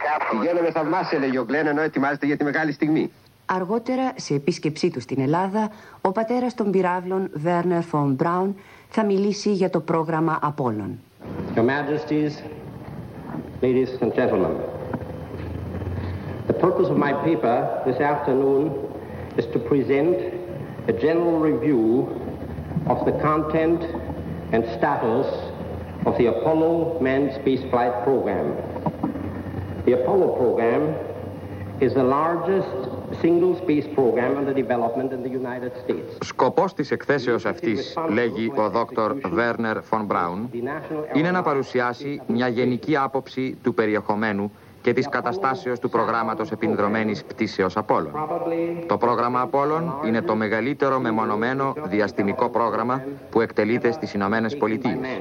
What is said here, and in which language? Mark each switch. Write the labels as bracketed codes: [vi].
[el] Πηγαίνω με θαυμάσια, λέγει ο Γκλεν, ενώ ετοιμάζεται για τη μεγάλη στιγμή. Αργότερα, σε επίσκεψή του στην Ελλάδα, ο πατέρας των πυράβλων, Βέρνερ Φον Μπράουν, θα μιλήσει για το πρόγραμμα Απόλλων. [en] Your Majesties, ladies and gentlemen, the purpose of my paper this afternoon is to present a general review of the content and status of the Apollo manned spaceflight program. The Apollo program is the largest single space program under development in the United States. [el] Σκοπός της εκθέσεως αυτής, λέγει ο Δόκτωρ Βέρνερ Φον Μπράουν, είναι να παρουσιάσει μια γενική άποψη του περιεχομένου και της καταστάσεως του προγράμματος επινδρωμένης πτήσεως Απόλλων. Το πρόγραμμα Απόλλων είναι το μεγαλύτερο μεμονωμένο διαστημικό πρόγραμμα που εκτελείται στις Ηνωμένες Πολιτείες.